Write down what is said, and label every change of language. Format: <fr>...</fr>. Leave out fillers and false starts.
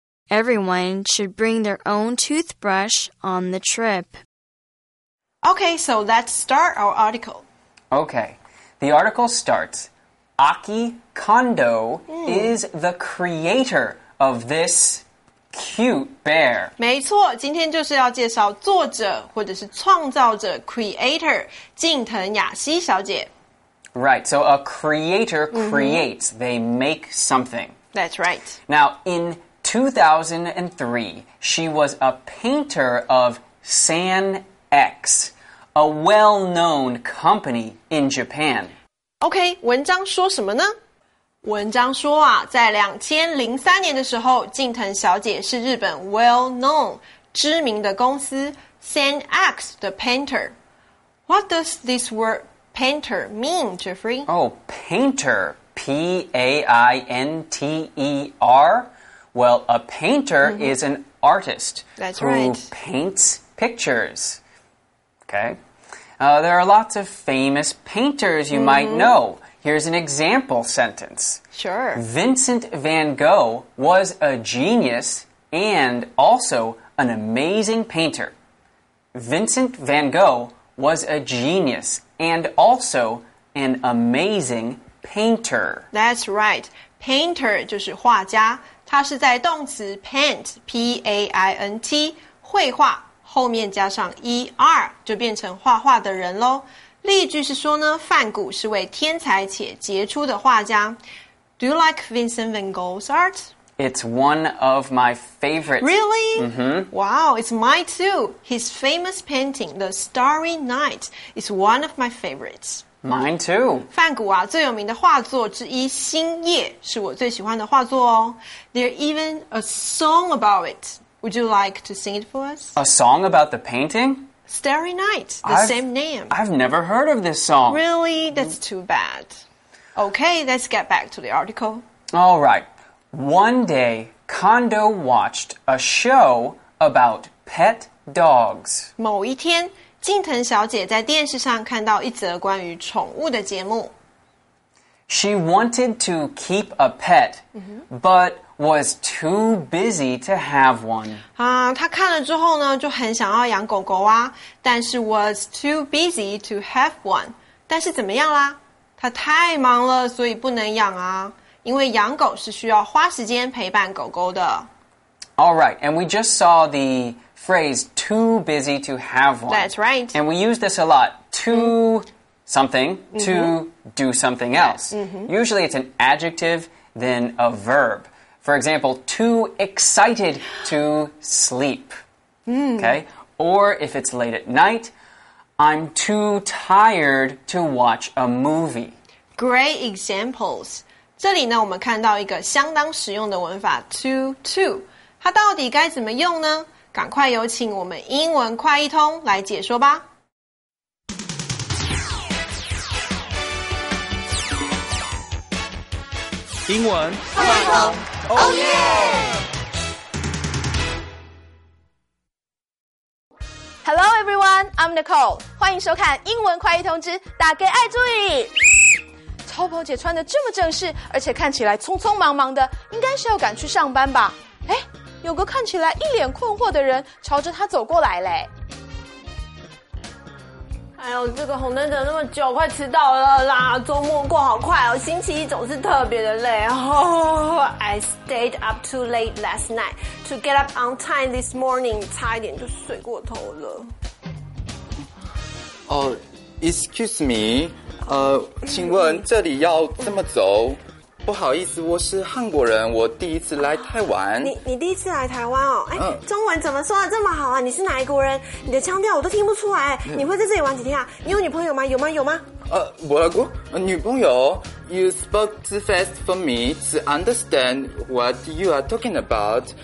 <en>Everyone should bring their own toothbrush on the trip. Okay, so let's start our article. Okay, the article starts, Aki Kondo is the creator of this cute bear.</en> <zh>没错，今天就是要介绍作者或者是创造者 creator 近藤雅希小姐。</zh> <en>Right, so a creator creates, they make something. That's right. Now, in 2003, she was a painter of San X, a well-known company in Japan.</en> <zh>Okay, 文章说什么呢？文章说啊，在2003年的时候，近藤小姐是日本 well-known, 知名的公司 San X,</zh> <en>the painter. What does this word mean? Painter mean, Jeffrey? Oh, painter. P-A-I-N-T-E-R. Well, a painter is an artist. That's who right. Who paints pictures. Okay. There are lots of famous painters you might know. Here's an example sentence. Sure. Vincent van Gogh was a genius and also an amazing painter. Vincent van Gogh was a genius. And also an amazing painter. That's right.</en> <zh>Painter 就是画家，它是在动词 paint, P-A-I-N-T, 绘画后面加上 E-R, 就变成画画的人咯。例句是说呢，梵谷是位天才且杰出的画家。</zh> <en>Do you like Vincent van Gogh's art? It's one of my favorites. Really? Mm-hmm. Wow, it's mine too. His famous painting, The Starry Night, is one of my favorites. Mine too.</en> <zh>梵谷啊，最有名的画作之一《星夜》是我最喜欢的画作哦。</zh> <en>There's even a song about it. Would you like to sing it for us? A song about the painting? Starry Night, same name. I've never heard of this song. Really? That's too bad. Okay, let's get back to the article. All right. One day, Kondo watched a show about pet dogs.</en> <zh>某一天静藤小姐在电视上看到一则关于宠物的节目。</zh> <en>She wanted to keep a pet, but was too busy to have one.</en> <zh>她看了之后呢，就很想要养狗狗啊，但是</zh> <en>was too busy to have one.</en> <zh>但是怎么样啦？她太忙了，所以不能养啊，因为养狗是需要花时间陪伴狗狗的。</zh> <en>All right, and we just saw the... phrase too busy to have one. That's right. And we use this a lot. Too something, to do something else. Usually it's an adjective, then a verb. For example, too excited to sleep. Okay? Or if it's late at night, I'm too tired to watch a movie. Great examples.</en> <zh>这里呢我们看到一个相当实用的文法 too. 它到底该怎么用呢？赶快有请我们英文快一通来解说吧。英文快一通</zh> <en>，Oh yeah！ Hello everyone, I'm Nicole，</en> <zh>欢迎收看英文快一通之打给爱助理。超跑姐穿得这么正式，而且看起来匆匆忙忙的，应该是要赶去上班吧？哎。有个看起来一脸困惑的人朝着他走过来嘞。哎呦，这个红灯等那么久，快迟到了啦！周末过好快哦，星期一总是特别的累。</zh> <en>I stayed up too late last night to get up on time this morning，</en> <zh>差一点就睡过头了。</zh> <en>Excuse me，</en> <zh>请问这里要这么走？不好意思，我是韩国人，我第一次来台湾。你第一次来台湾哦？中文怎么说的这么好啊？你是哪一国人？你的腔调我都听不出来。你会在这里玩几天啊？你有女朋友吗？有吗？有吗？外国女朋友</zh> <en>？You spoke too fast for me to understand what you are talking about。</en>